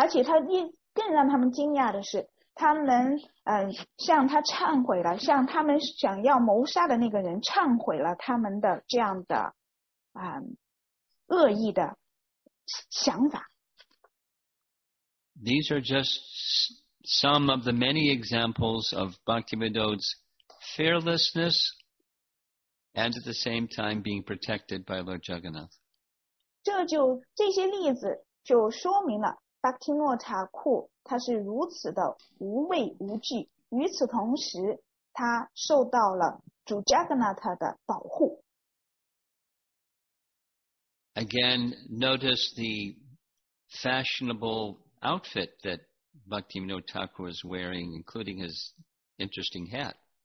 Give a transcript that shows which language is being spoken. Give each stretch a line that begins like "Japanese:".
Chinese: 而且更让他们惊讶的是, 他们向他忏悔了, 向他们想要谋杀的那个人忏悔了他们的这样的, 恶意的想法。
English: These are just some of the many examples of Bhaktivinoda's fearlessness and at the same time being protected by Lord Jagannath.
Chinese: 这些例子就说明了巴基诺塔库他是如此的无畏无惧与此同时他受到了主加格纳塔的保护。
English: Again, notice the fashionable outfit that Bhaktivinoda Thakur is wearing, including his interesting hat.